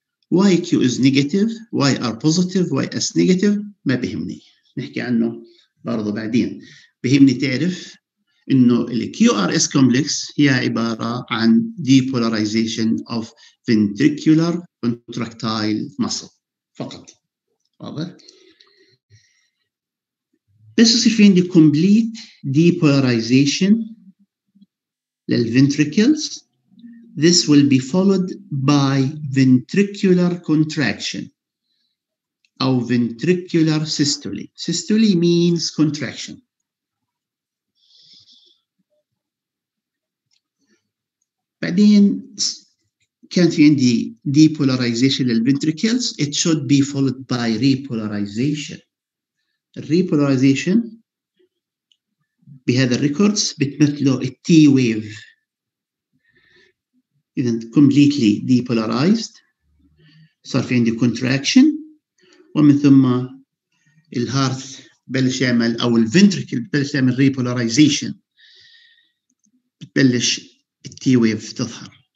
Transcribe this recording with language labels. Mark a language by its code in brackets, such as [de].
[en] Y Q is negative, Y R positive, Y S negative. [ar] ما بهمني نحكي عنه برضو بعدين. بهمني تعرف إنه [en] ال Q R S complex [ar] هي عبارة عن [en] depolarization of ventricular contractile muscle فقط. [ar] واضح؟ بس يصير في عندي complete depolarization للventricles. [en] This will be followed by ventricular contraction or ventricular systole. Systole means contraction. [ar] بعدين كان في عندي depolarization للventricles. [en] It should be followed by repolarization. [ar] Repolarization بهذا الريكوردز بتمثله T wave. إذن [en] completely depolarized [ar] صار في عندي contraction ومن ثم الهارت بلش يعمل أو الventricle بلش يعمل repolarization بتبلش التي ويف تظهر.